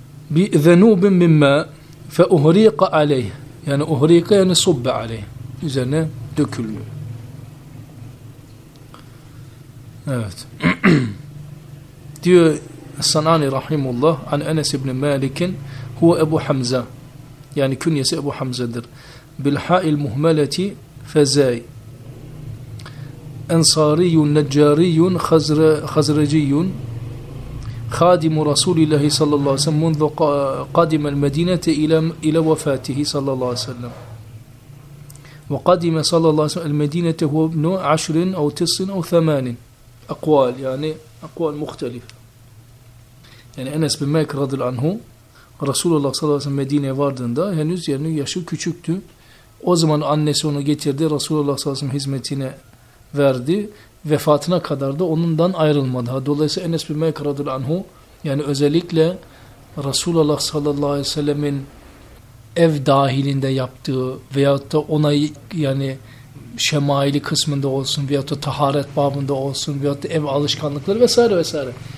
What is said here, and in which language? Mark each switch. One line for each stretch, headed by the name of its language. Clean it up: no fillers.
Arabic: Bi zenubin mimma فَاُهْرِيقَ عَلَيْهِ yani اُهْرِيقَ yani صُبَّ عَلَيْهِ
Turkish: üzerine dökülüyor. Evet. Diyor Sanani Rahimullah an Enes ibn Malik'in huve Ebu Hamza yani künyesi Ebu Hamza'dır.
Arabic: بِالْحَائِ الْمُهْمَلَةِ فَزَاي اَنْصَارِيٌ نَجَّارِيٌ خَزْرَجِيٌ خادم رسول الله صلى الله عليه وسلم منذ قدم المدينة إلى وفاته صلى الله عليه وسلم وقدم صلى الله عليه وسلم المدينة هو ابن عشر أو تس أو ثمان أقوال يعني أقوال مختلفة يعني أنس بن مالك رضي الله عنه رسول الله صلى الله عليه وسلم مدينة
Turkish: vardığında henüz yani yaşı küçüktü. O zaman annesi onu getirdi, Resulullah sallallahu aleyhi ve sellem hizmetine verdi. Vefatına kadar da onundan ayrılmadı. Dolayısıyla Enes bin Malik radıyallahu anhu yani özellikle Resulullah sallallahu aleyhi ve sellemin ev dahilinde yaptığı veyahut da ona yani şemaili kısmında olsun veyahut da taharet babında olsun veyahut da ev alışkanlıkları vesaire vesaire.